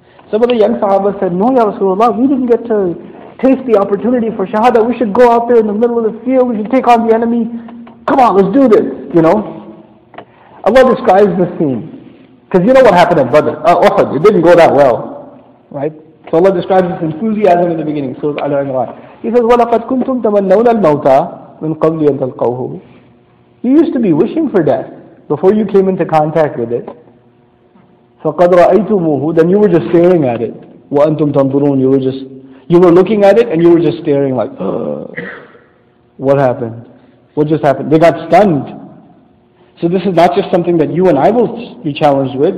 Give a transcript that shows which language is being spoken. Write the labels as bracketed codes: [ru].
[en] Some of the young Sahaba said, no Ya Rasulullah, we didn't get to taste the opportunity for Shahada, we should go out there in the middle of the field, we should take on the enemy, come on, let's do this, you know. Allah describes the scene. Because you know what happened at Badr, Uhud, it didn't go that well. Right? So Allah describes this enthusiasm in the beginning, Surah Al-Imran. He says, [ar] وَلَقَدْ كُنْتُمْ تَمَنَّوْنَ الْمَوْتَى مِنْ قَبْلِ أَنْ تَلْقَوْهُ. [en] You used to be wishing for death before you came into contact with it. [ar] فَقَدْ رَأَيْتُمُهُ. [en] Then you were just staring at it. [ar] وَأَنْتُمْ تَنْظُرُونَ. [en] You were looking at it and you were just staring like, ugh. What happened? What just happened? They got stunned. So this is not just something that you and I will be challenged with.